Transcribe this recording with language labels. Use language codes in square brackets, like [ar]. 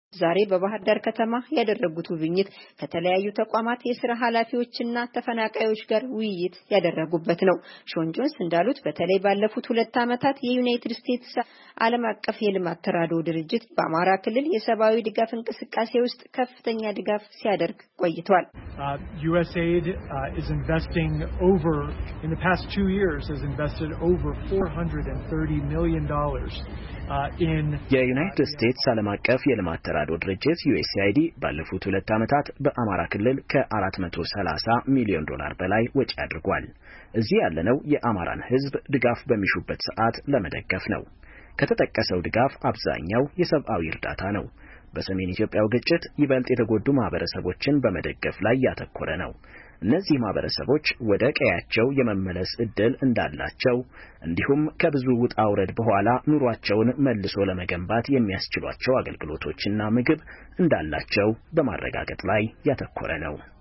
[am] ዛሬ በባህር ዳር ከተማ ያደረጉት ውይይት ከተለያዩ ተቋማት የሥራ ኃላፊዎችና ተፈናቃዮች ጋር ውይይት ያደረጉበት ነው። ሾንጆንስ እንዳሉት በተለይ ባለፉት 2 አመታት የዩናይትድ ስቴትስ ዓለም አቀፍ የልማት ተራድኦ ድርጅት በአማራ ክልል የሰብአዊ ድጋፍ እንቅስቃሴ ውስጥ ከፍተኛ ድጋፍ ሲያደርግ ቆይቷል። [en] USAID is investing over in the past 2 years has invested over $430 million in [am] United States ዓለም አቀፍ የልማት ተራድኦ ድርጅት USAID ባለፉት 2 አመታት በአማራ ክልል ከ$430 million በላይ ወጪ አድርጓል። እዚህ ያለነው የአማራን ህዝብ ድጋፍ በሚሹበት ሰዓት ለመደገፍ ነው። ከተጠቀሰው ድጋፍ አብዛኛው የሰብአዊ እርዳታ ነው። በሰሜን ኢትዮጵያው ግጭት ይበልጥ የተጎዱ ማህበረሰቦችን በመደገፍ ላይ ያተኮረ ነው። እነዚህ ማህበረሰቦች ወደ ቀያቸው የመመለስ እድል እንዳላቸው እንዲሁም ከብዙ ውጣውረድ በኋላ ኑሯቸውን መልሶ ለመገንባት የሚያስችሏቸው አገልግሎቶችና ምግብ እንዳላቸው በማረጋገጥ ላይ ያተኮረ ነው።